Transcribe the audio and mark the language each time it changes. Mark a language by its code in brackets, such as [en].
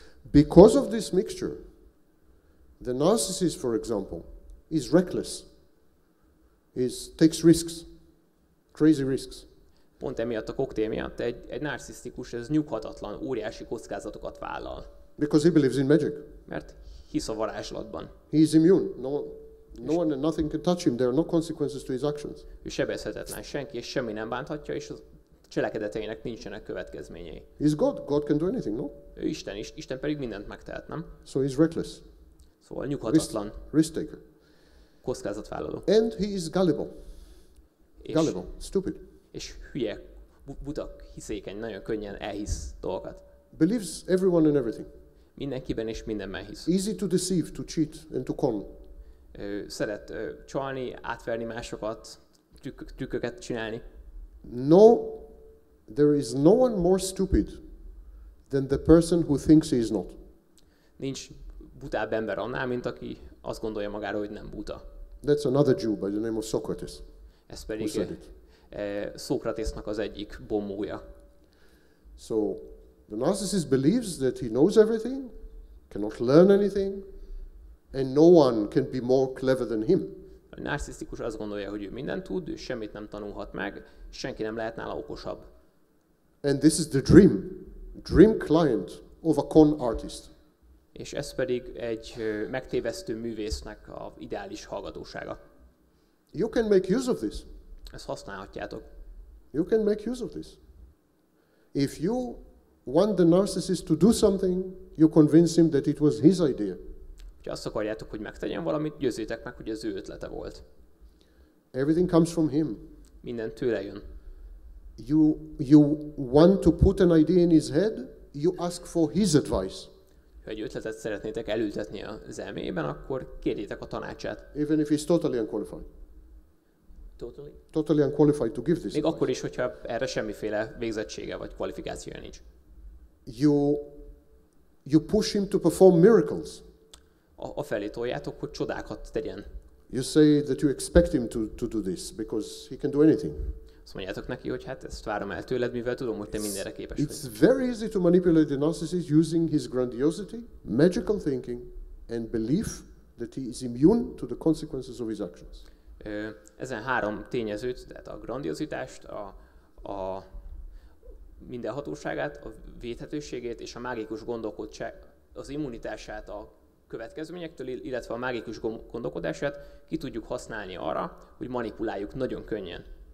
[en] Because of this mixture, the narcissist, for example, is reckless, takes risks, crazy risks. [hu] Pont emiatt a koktél miatt egy narcisztikus, ez nyughatatlan, óriási kockázatokat vállal. [en] Because he believes in magic. [hu] Mert hisz a varázslatban. [en] He is immune. No one and nothing can touch him. There are no consequences to his actions. [hu] Ő sebezhetetlen, senki és semmi nem bánthatja, és a cselekedeteinek nincsenek következményei. [en] He is God. God can do anything, no? [hu] Ő Isten is. Isten pedig mindent megtehet, nem? [en] So he is reckless. [hu] Szóval nyughatatlan. [en] Risk taker. [hu] Kockázatvállaló. [en] And he is gullible. Gullible. Stupid. [hu] És hülye, butak, hiszékeny, nagyon könnyen elhisz dolgokat. [en] Believes everyone and everything. [hu] Mindenkiben és mindenben hisz. [en] Easy to deceive, to cheat and to con. [hu] Szeret csalni, átverni másokat, trükköket csinálni. [en] No, there is no one more stupid than the person who thinks he is not. [hu] Nincs butább ember annál, mint aki azt gondolja magáról, hogy nem buta. [en] That's another Jew by the name of Socrates. [hu] Ez pedig Szókratésznak az egyik bombója. [en] So the narcissist believes that he knows everything, cannot learn anything, and no one can be more clever than him. [hu] A narcisztikus azt gondolja, hogy ő mindent tud, ő semmit nem tanulhat meg, senki nem lehet nála okosabb. [en] And this is the dream. Dream client of a con artist. [hu] És ez pedig egy megtévesztő művésznek a ideális hallgatósága. [en] You can make use of this. [hu] Ezt használhatjátok. [en] You can make use of this. If you want the narcissist to do something, you convince him that it was his idea. [hu] Ha azt akarjátok, hogy megtegyen valamit, győzzétek meg, hogy ez ő ötlete volt. [en] Everything comes from him. [hu] Minden tőle jön. [en] You want to put an idea in his head, you ask for his advice. [hu] Ha egy ötletet szeretnétek elültetni az elmében, akkor kérjétek a tanácsát. [en] Even if he's totally unqualified. Totally unqualified to give this. [hu] Még akkor is, hogyha erre semmiféle végzettsége vagy kvalifikációja nincs. [en] You push him to perform miracles. [hu] Afelé toljátok, hogy csodákat tegyen. [en] You say that you expect him to do this because he can do anything. [hu] Azt mondjátok neki, hogy hát ezt várom el tőled, mivel tudom, hogy te mindenre képes vagy. [en] It's very easy to manipulate the narcissist using his grandiosity, magical thinking and belief that he is immune to the consequences of his actions. [hu] Ezen három tényezőt, tehát a grandiozitást, a mindenhatóságát, a védhetőségét és a mágikus gondolkodást, az immunitását a következményektől, illetve a mágikus gondolkodását ki tudjuk használni arra, hogy manipuláljuk nagyon könnyen.